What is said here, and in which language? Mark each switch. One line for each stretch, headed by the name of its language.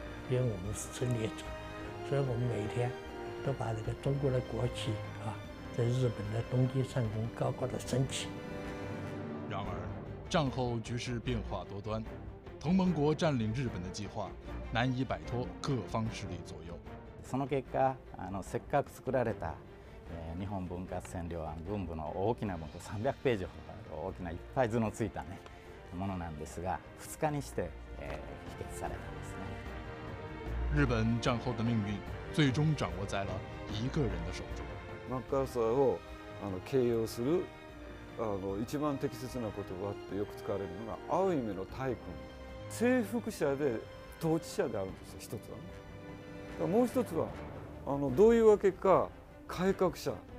Chinese: 因为我们是侵略者，所以我们每天都把这个中国的国旗啊，在日本的东京上空高高的升起。然而，战后局势变化多端，同盟国占领日本的计划难以摆脱各方势力左右。
Japanese: その結果、せっかく作られた日本文化占領案文部の大きなもの、300ページほどある大きないっぱい図のついたね。ものなんですが、2日にして否決されたんですね。
Chinese: 日本战后的命运最终掌握在了一个人的手中。
Japanese: マッカーサーを形容する一番適切な言葉ってよく使われるのが、青い目の大君。征服者で統治者であるんですよ、一つは、ね。だもう一つはどういうわけか改革者。